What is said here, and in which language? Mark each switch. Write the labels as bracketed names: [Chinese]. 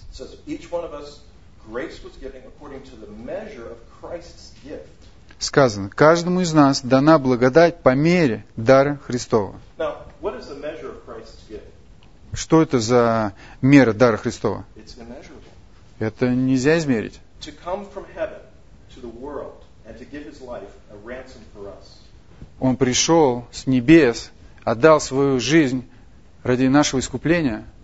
[English] Says each one of us grace was given according to the measure of Christ's gift. [Russian] Сказано, каждому из нас дана благодать по мере дара Христова. [English] Now, what is the measure of Christ's gift? [Russian] Что это за мера дара Христова? [English] It's immeasurable. [Russian] Это нельзя измерить. [English] To come from heaven to the world and to give his life a ransom for us. [Russian] Он пришел с небес, отдал свою жизнь ради нашего искупления.